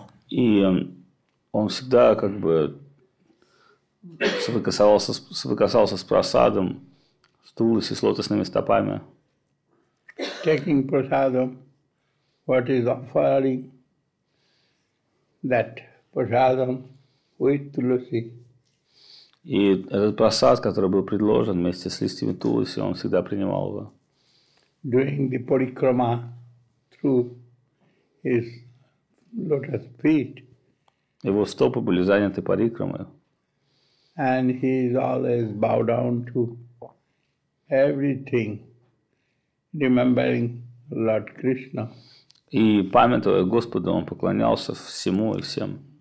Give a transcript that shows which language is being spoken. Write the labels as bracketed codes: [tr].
[ru] И он всегда как бы соприкасался с прасадом, с Туласи, с лотосными стопами. [en] Taking prasadam, what is offering that prasadam with Tulasi. [ru] И этот прасад, который был предложен вместе с листьями Туласи, он всегда принимал его. [en] During the parikrama through his lotus feet. [ru] Его стопы были заняты парикрамой. [en] And he is always bow down to everything, remembering Lord Krishna. [ru] И памятуя Господу, он поклонялся всему и всем.